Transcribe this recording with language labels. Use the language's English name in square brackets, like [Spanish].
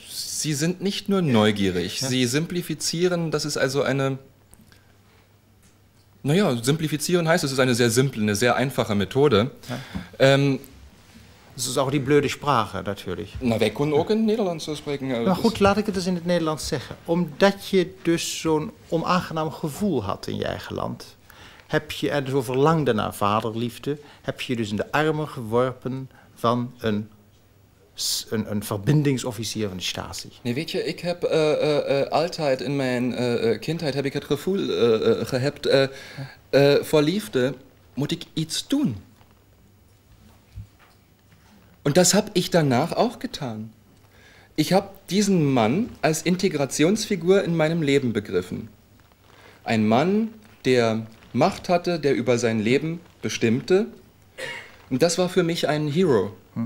[German] Sie sind nicht nur neugierig. Ja. Sie simplifizieren, das ist also eine... Naja, simplifizieren heißt, es ist eine sehr simple, eine sehr einfache Methode. Ja. Das ist auch die blöde Sprache, natürlich. Na, wir können auch in Nederlands sprechen. [Dutch] Na gut, laat ik het eens in het Nederlands zeggen. Omdat je dus zo'n onaangenaam gevoel had in je eigen land, heb je er zo verlangde naar vaderliefde, heb je dus in de armen geworpen van een verbindingsofficier van de Stasi. Nee, weet je, ik heb altijd in mijn kindheid heb ik het gevoel gehad, voor liefde moet ik iets doen. [German] Und das habe ich danach auch getan. Ich habe diesen Mann als Integrationsfigur in meinem Leben begriffen. Ein Mann, der Macht hatte, der über sein Leben bestimmte. Und das war für mich ein Hero.